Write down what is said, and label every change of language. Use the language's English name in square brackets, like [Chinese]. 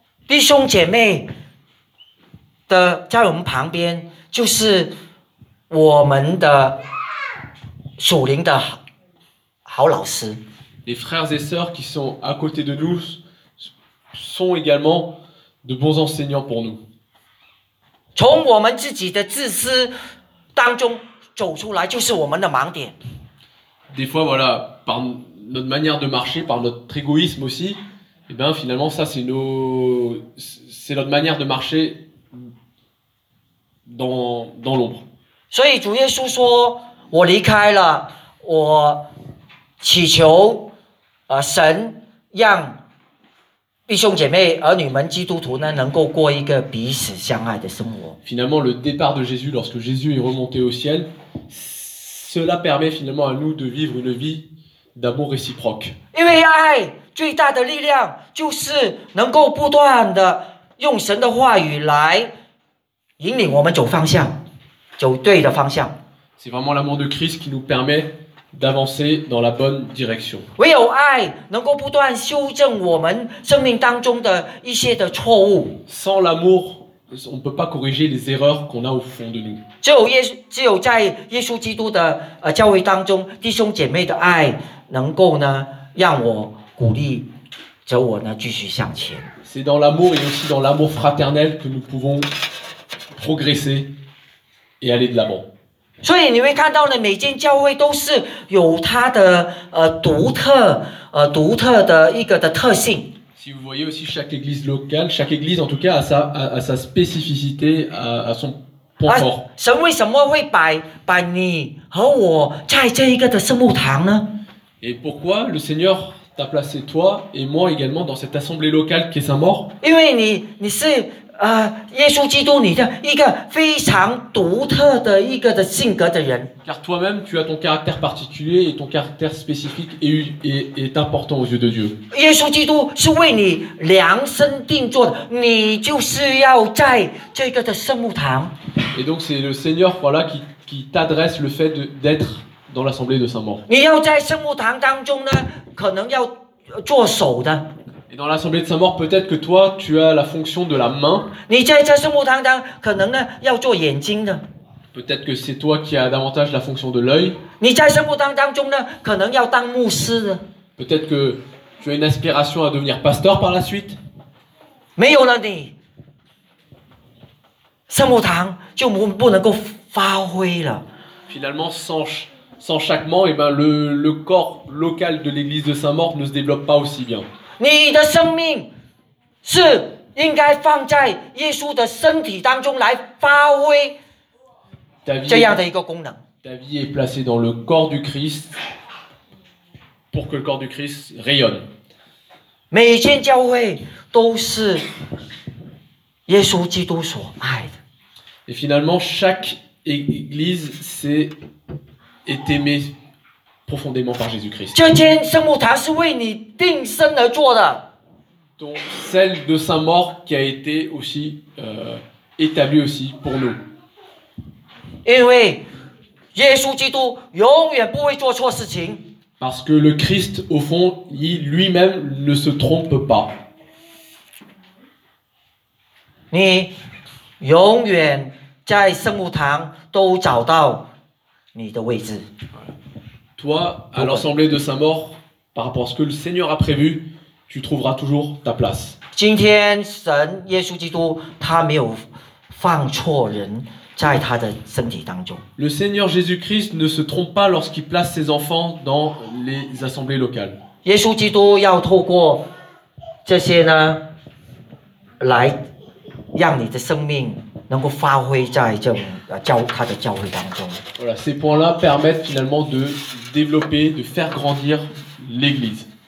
[French] Frères et sœurs, [Chinese] 我们的属灵的 好老师。 [French] Les frères et sœurs qui sont à côté de nous sont également de bons enseignants pour nous. [Chinese] 从我们自己的自私当中走出来就是我们的盲点。 [French] Des fois, voilà, par notre manière de marcher, par notre égoïsme aussi, et bien finalement, ça, c'est c'est notre manière de marcher dans l'ombre. [Chinese] 所以主耶稣说，我离开了，我祈求神让弟兄姐妹儿女们基督徒呢能够过一个彼此相爱的生活。 [French] Finalement, le départ de Jésus, lorsque Jésus est remonté au ciel, cela permet finalement à nous de vivre une vie d'amour réciproque. [Chinese] 因为爱最大的力量就是能够不断的用神的话语来引领我们走方向，走对的方向。 [French] C'est vraiment l'amour de Christ qui nous permet d'avancer dans la bonne direction. [Chinese] 唯有爱能够不断修正我们生命当中的一些的错误。 [French] Sans l'amour, on ne peut pas corriger les erreurs qu'on a au fond de nous. [Chinese] 只有在耶稣基督的教会当中，弟兄姐妹的爱能够呢让我鼓励着我呢继续向前。 [French] C'est dans l'amour et aussi dans l'amour fraternel que nous pouvons progresser et aller de l'avant. [Chinese] 所以你会看到呢，每间教会都是有它的独特的一个的特性。 [French] Si vous voyez aussi chaque église locale, chaque église en tout cas a sa spécificité, a son point fort. [Chinese] 神为什么会把你和我在这一个的圣母堂呢 [French] ？Et pourquoi le Seigneur t'a placé toi et moi également dans cette assemblée locale qui est Saint-Maur？ [Chinese] 因为你是。耶稣基督你的一个非常独特的一个的性格的人。 [French] Car toi-même, tu as ton caractère particulier et ton caractère spécifique est important aux yeux de Dieu. [Chinese] 耶稣基督是为你量身定做的，你就是要在这个的圣母堂。 [French] Et donc c'est le Seigneur, voilà, qui t'adresse le fait d'être dans l'assemblée de Saint-Maur. [Chinese] 你要在圣母堂当中呢，可能要做手的。 [French] Et dans l'assemblée de Saint-Maur, peut-être que toi, tu as la fonction de la main. [Chinese] 你在这圣母堂当可能呢要做眼睛的。 [French] Peut-être que c'est toi qui as davantage la fonction de l'œil. [Chinese] 你在圣母堂当中呢可能要当牧师的。 [French] Peut-être que tu as une aspiration à devenir pasteur par la suite. [Chinese] 没有了你，圣母堂就不能够发挥了。 [French] Finalement, sans chaque membre, eh ben le corps local de l'église de Saint-Maur ne se développe pas aussi bien. [Chinese] 你的生命是应该放在耶稣的身体当中来发挥这样的一个功能。 [French] Ta vie est placée dans le corps du Christ pour que le corps du Christ rayonne. [Chinese] 每间教会都是耶稣基督所爱的。 [French] Et finalement, chaque église est aimée. Profondément par Jésus-Christ. [Chinese] 这间圣母堂是为你定身而做的。 [French] Donc celle de Saint-Maur qui a été aussi établie aussi pour nous. [Chinese] 因为耶稣基督永远不会做错事情。 [French] Parce que le Christ, au fond, lui-même ne se trompe pas. [Chinese] 你永远在圣母堂都找到你的位置。 [French] Toi, à l'assemblée de Saint-Maur, par rapport à ce que le Seigneur a prévu, tu trouveras toujours ta place. [Chinese] 今天神耶稣基督他没有放错人在他的身体当中。 [French] Le Seigneur Jésus-Christ ne se trompe pas lorsqu'il place ses enfants dans les assemblées locales. [Chinese] 耶稣基督要透过这些呢，来让你的生命。能够发挥在这教他的教会当中。 [French] Voilà, ces points-là permettent finalement de développer, de faire grandir l'Église.